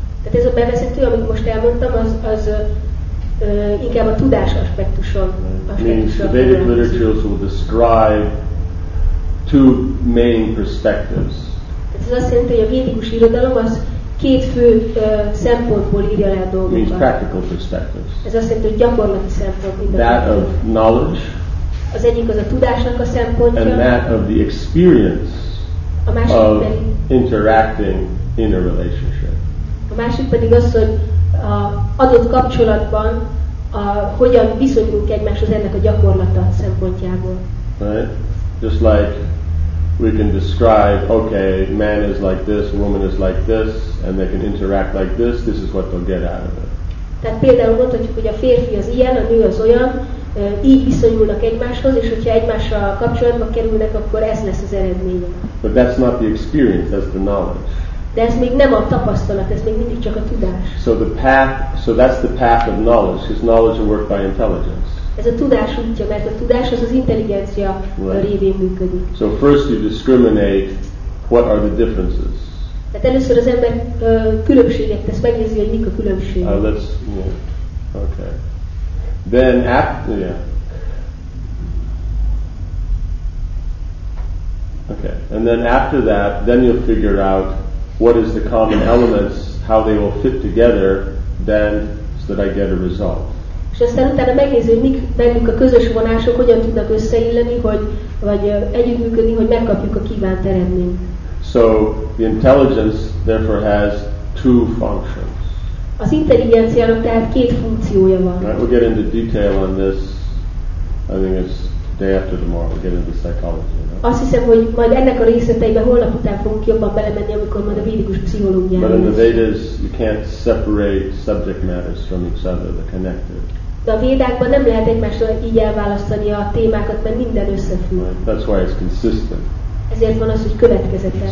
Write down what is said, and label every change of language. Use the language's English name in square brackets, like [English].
[Hungarian] Tehát ez a bevezető, amit most elmondtam, az inkább a tudás aspektuson. [English] Means the Vedic literatures will describe two main perspectives. [Hungarian] Ez azt jelenti, hogy a védikus irodalom az két fő szempontból írja le a dolgokat. [English] Means practical perspectives. [Hungarian] Ez azt jelenti, hogy gyakorlati szempont. [English] That of knowledge. [Hungarian] Az egyik az a tudásnak a szempontja. [English] And that of the experience. [Hungarian] A másik [English] of [Hungarian] pedig [English] interacting in a relationship. [Hungarian] A másik pedig az, hogy a adott kapcsolatban hogyan viszonyulunk egymáshoz ennek a gyakorlata szempontjából. [English] Right? Just like we can describe, okay, man is like this, woman is like this, and they can interact like this. This is what they'll get out of it. [Hungarian] Tehát például mondhatjuk, hogy a férfi az ilyen, a nő az olyan, így viszonyulnak egymáshoz, és hogyha egymással kapcsolatba kerülnek, akkor ez lesz az eredménye. [English] But that's not the experience, that's the knowledge. [Hungarian] De ez még nem a tapasztalat, ez még mindig csak a tudás. [English] So that's the path of knowledge. His knowledge will work by intelligence. [Hungarian] Ez a tudás útja, mert a tudás az intelligencia révén működik. [English] So first you discriminate what are the differences. [Hungarian] Tehát először az ember különbséget tesz, megnézi, hogy mik a különbségek. [English] Okay. Then after, yeah. Okay. And then after that, then you'll figure out what is the common elements, how they will fit together, then so that I get a result. [Hungarian] És aztán utána megnézni, hogy bennük a közös vonások hogyan tudnak összeilleni, vagy együttműködni, hogy megkapjuk a kívánt eredményt. [English] So the intelligence therefore has two functions. [Hungarian] Az intelligenciának tehát két funkciója van. [English] Right, we'll get into detail on this. I think it's day after tomorrow. We'll get into psychology. No? [Hungarian] Azt hiszem, hogy majd ennek a részleteiben holnap után fogunk jobban belemenni, amikor majd a védikus pszichológiára. [English] But in the Vedas, you can't separate subject matters from each other. They're connected. [Hungarian] De a védákban nem lehet egymástól így elválasztani a témákat, mert minden összefügg. [English] Right. That's why it's consistent. [Hungarian] Ezért van az, hogy következetes.